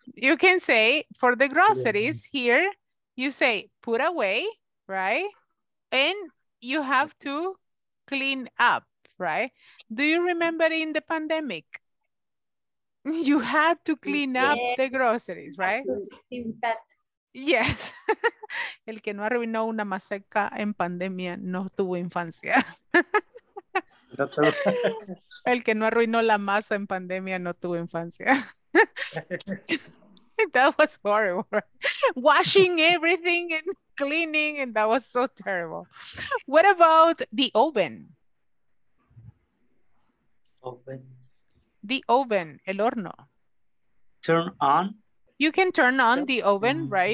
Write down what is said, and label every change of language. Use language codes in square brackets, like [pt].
[en] You can say for the groceries here, you say put away, right? And you have to clean up, right? Do you remember in the pandemic? You had to clean up the groceries, right? Yes. [es] El que no arruinó una maceta en pandemia no tuvo infancia. El que no arruinó la masa en pandemia no tuvo infancia. [en] That was horrible. Washing everything and cleaning, and that was so terrible. What about the oven? Oven. The oven, [es] el horno. [en] Turn on. You can turn on the oven, right?